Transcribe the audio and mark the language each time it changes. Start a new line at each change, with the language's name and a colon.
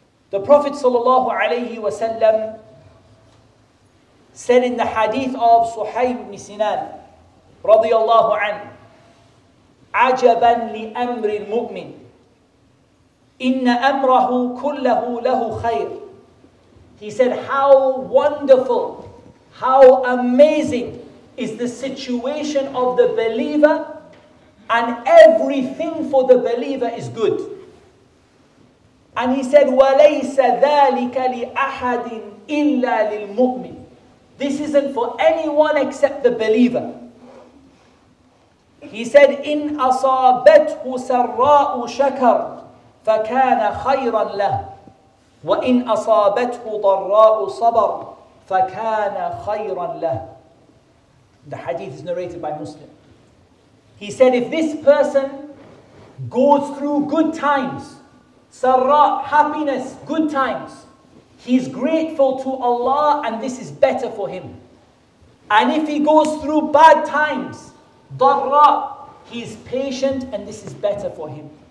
English: The Prophet sallallahu alayhi wa sallam said in the hadith of Suhaib ibn Sinan,
Arabic: رضي الله عنه عجبا لأمر المؤمن إن أمره كله له خير.
English: He said, how wonderful, how amazing is the situation of the believer, and everything for the believer is good. And he said,
Arabic: وليس ذلك لأحد إلا للمؤمن.
English: This isn't for anyone except the believer. He said,
Arabic: إِنْ أَصَابَتْهُ سَرَّاءُ شَكَرْ فَكَانَ خَيْرًا لَهُ وَإِنْ أَصَابَتْهُ ضَرَّاءُ صَبَرْ فَكَانَ خَيْرًا لَهُ.
English: The hadith is narrated by Muslim. He said, if this person goes through good times, سَرَّاء, happiness, good times, he's grateful to Allah and this is better for him. And if he goes through bad times, ضَرَّ, he's patient and this is better for him.